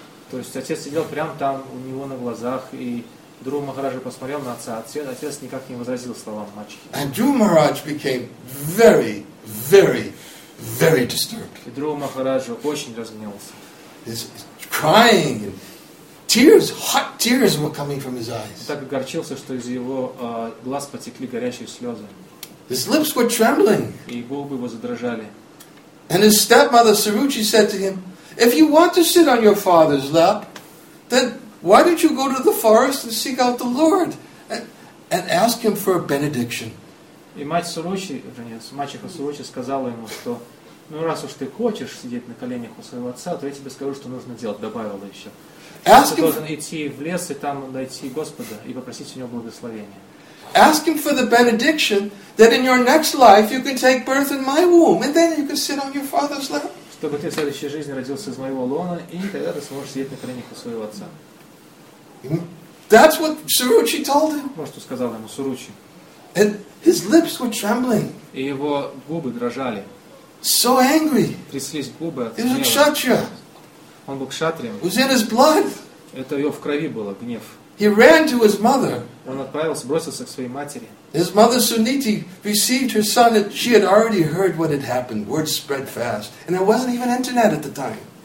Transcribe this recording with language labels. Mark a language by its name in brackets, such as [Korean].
[Russian] То есть отец сидел прямо там у него на глазах, и Друва Махарадж посмотрел на отца, отец никак не возразил словам мачехи. [English] And Dhruva Maharaj became very, very, very disturbed. [Russian] И Друва Махарадж очень разгневался. [English] He's crying, and tears, hot tears were coming from his eyes. [Russian] Так огорчился, что из его глаз потекли горячие слезы. [English] His lips were trembling. [Russian] И губы его задрожали. [English] And his stepmother Suruchi said to him, if you want to sit on your father's lap, then why don't you go to the forest and seek out the Lord and ask him for a benediction? [Russian] И мачеха Суручи сказала ему, что ну раз уж ты хочешь сидеть на коленях у своего отца, то я тебе скажу, что нужно делать. Добавила еще. [English] Ask him. [Russian] Ты должен идти в лес и там найти Господа и попросить у него благословения. [English] Ask him for the benediction that in your next life you can take birth in my womb and then you can sit on your father's lap. [Russian] Чтобы ты в следующей жизни родился из моего лона, и тогда ты сможешь сидеть на коленях у своего отца. [English] That's what Suruchi told him. [Russian] Вот что сказал ему Суручи. [English] And his lips were trembling. [Russian] И его губы дрожали. [English] So angry. [Russian] Тряслись губы. [English] He was a kshatriya. [Russian] Он был кшатрием. [English] Was in his blood. [Russian] Это его в крови было, гнев. [English] He ran to his mother. [Russian] Он отправился, бросился к своей матери. [English] His mother Suniti received her son, and she had already heard what had happened. Word spread fast, and there wasn't even internet at the time.